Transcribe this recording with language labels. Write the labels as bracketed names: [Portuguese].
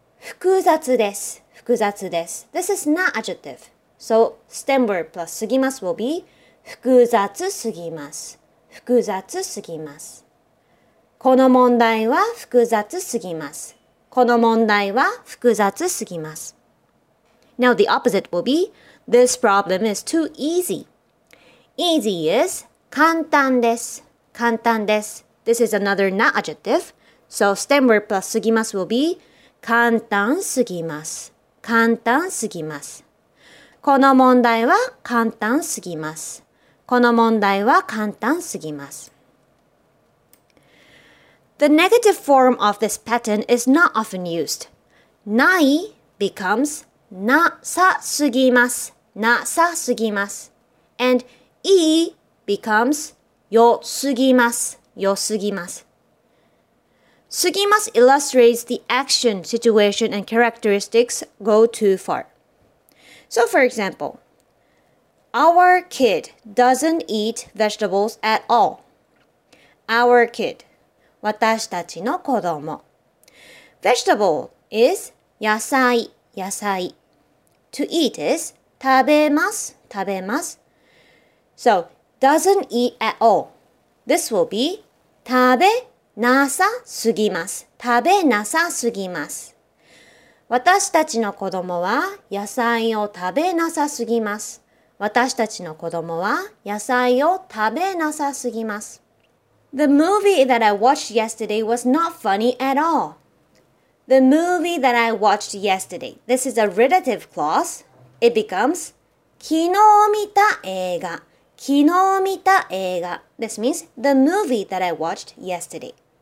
[Japanese] 複雑です。複雑です。 [English] This is not adjective. So stem verb plus すぎます will be [Japanese] 複雑すぎます。複雑すぎます。この問題は複雑すぎます。この問題は複雑すぎます。 [English] Now the opposite will be This problem is too easy. Easy is [Japanese] 簡単です。簡単です。 [English] This is another not adjective. So stem verb plus すぎます will be [Japanese] 簡単すぎます。簡単すぎます。この問題は簡単すぎます。この問題は簡単すぎます。 [English] The negative form of this pattern is not often used. ない becomes [Japanese] なさすぎます。なさすぎます。 [English] And い becomes [Japanese] よすぎます。よすぎます。 [English] すぎます illustrates the action, situation, and characteristics go too far. So for example, our kid doesn't eat vegetables at all. Our kid. [Japanese] 私たちの子供。 [English] Vegetable is [Japanese] 野菜、野菜。 [English] To eat is [Japanese] 食べます、食べます。 [English] So, doesn't eat at all. This will be [Japanese] 食べなさすぎます。食べなさすぎます。私たちの子供は野菜を食べなさすぎます。私たちの子供は野菜を食べなさすぎます。 [English] The movie that I watched yesterday was not funny at all. The movie that I watched yesterday. This is a relative clause. It becomes [Japanese] 昨日見た映画。昨日見た映画。 [English] This means the movie that I watched yesterday.